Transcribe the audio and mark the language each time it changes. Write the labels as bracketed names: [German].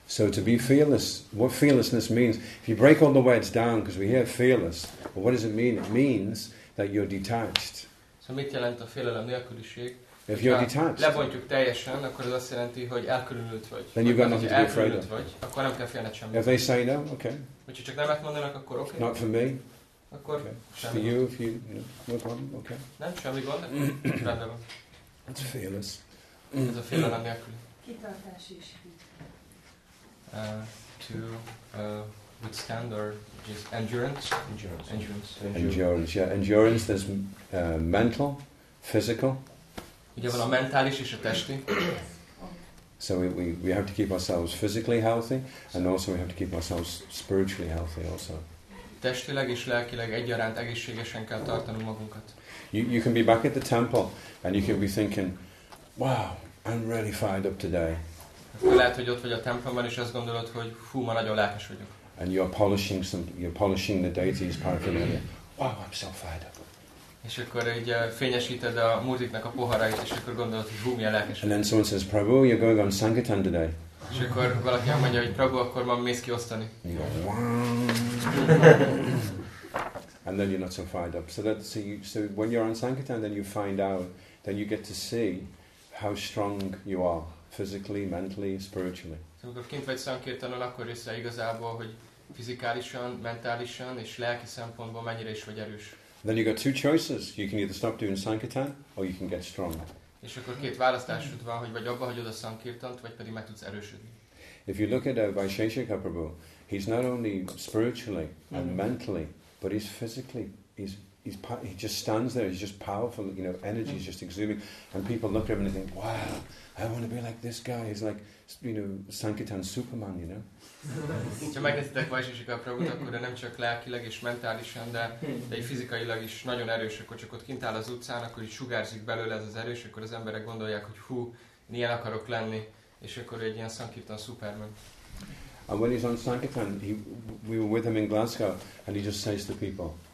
[English] So to be fearless, what fearlessness means, if you break all the words down, because we hear fearless, well, what does it mean? It means that you're detached. [Hungarian] So mit jelent a félelem nélküliség? [English] If you're detached, [Hungarian] lebontjuk teljesen, akkor ez azt jelenti, hogy elkülönült vagy. [English] Then you've got nothing to be afraid of. [Hungarian] Vagy, akkor nem kell félned semmit. [English] If they say no, okay. [Hungarian] Hogyha csak nemet mondanak, akkor okay. [English] Not for me. [Hungarian] Akkor [English] okay. For you, if you, no, no problem, okay. [Hungarian] Nem, semmi gond, akkor rendben van. [English] It's fearless. [Hungarian] Ez a félelem nélküli. Kitartás is. [English] To withstand or just endurance. There's mental, physical. [Hungarian] Ugye van a mentális és a testi. [English] So we have to keep ourselves physically healthy, and also we have to keep ourselves spiritually healthy also. [Hungarian] Testileg és lelkileg egyaránt egészségesen kell tartanunk magunkat. [English] You can be back at the temple and you can be thinking, wow, I'm really fired up today. [Hungarian] Lehet, hogy ott vagy a templomban, és azt gondolod, hogy fú, ma nagyon lelkes vagyok. [English] And you're polishing the deity's paraphernalia. Wow, I'm so fired up. [Hungarian] És akkor így fényesíted a murtiknak a poharait, és akkor gondolod, hogy hú, milyen lelkes. [English] And then someone says, Prabhu, you're going on Sankirtan today. [Hungarian] És akkor valaki mondja, hogy Prabhu, akkor ma mész ki osztani. [English] And then you're not so fired up. So when you're on Sankirtan, then you find out, then you get to see how strong you are. Physically, mentally, spiritually. [Hungarian] Amikor kint vagy Sankirtanon, akkor észre igazából, hogy fizikálisan, mentálisan és lelki szempontból mennyire is vagy erős. [English] Then you got two choices. You can either stop doing Sankirtan, or you can get strong. [Hungarian] És akkor két választásod van, hogy vagy abba hagyod a Sankirtant, vagy pedig meg tudsz erősödni. [English] If you look at Vaisheshika Prabhu, he's not only spiritually and mentally, but he's physically. He just stands there. He's just powerful. You know, energy is just exuding, and people look at him and think, "Wow, I want to be like this guy." He's like, you know, Sankirtan Superman. You know. [Hungarian] Ha megnézitek Vaisheshika Prabhut, akkor nem csak lelkileg és mentálisan, de fizikailag is nagyon erős. Akkor csak ott kint áll az utcán, akkor így sugárzik belőle ez az erős. Akkor az emberek gondolják, hogy hú, ilyen akarok lenni, és akkor egy ilyen Sankirtan Superman. [English] And when he's on Sankirtan, we were with him in Glasgow, and he just says to people.